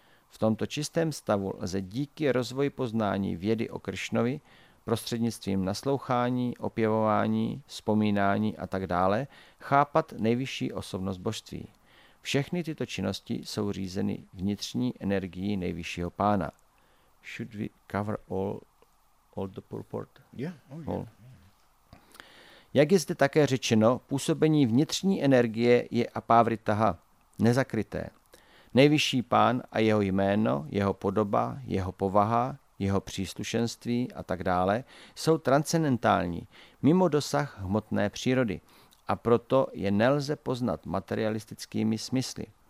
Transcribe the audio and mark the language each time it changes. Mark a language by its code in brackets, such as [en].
[cs] V tomto čistém stavu lze díky rozvoji poznání vědy o Kršnovi prostřednictvím naslouchání, opěvování, vzpomínání a tak dále chápat nejvyšší osobnost božství. Všechny tyto činnosti jsou řízeny vnitřní energií nejvyššího pána. [en] Should we cover all the purport? Yeah. Oh, yeah. [cs] Jak je zde také řečeno, působení vnitřní energie je apavritaha, nezakryté. Nejvyšší pán a jeho jméno, jeho podoba, jeho povaha, jeho příslušenství a tak dále jsou transcendentální, mimo dosah hmotné přírody, a proto je nelze poznat materialistickými smysly.